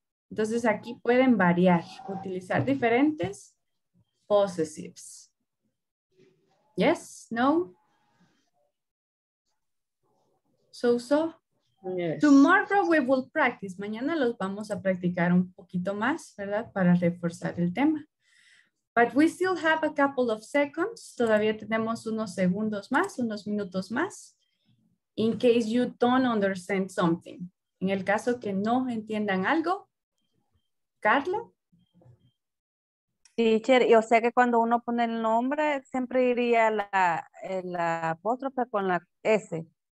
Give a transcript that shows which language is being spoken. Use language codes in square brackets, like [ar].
[es] Entonces aquí pueden variar, utilizar diferentes possessives. [en] Yes, no. So. Yes. Tomorrow we will practice. [es] Mañana los vamos a practicar un poquito más, ¿verdad? Para reforzar el tema. [en] But we still have a couple of seconds. [es] Todavía tenemos unos segundos más, unos minutos más. [en] In case you don't understand something. [es] En el caso que no entiendan algo. Carla. Teacher, y o sea que cuando uno pone el nombre, siempre iría la apóstrofe con la S.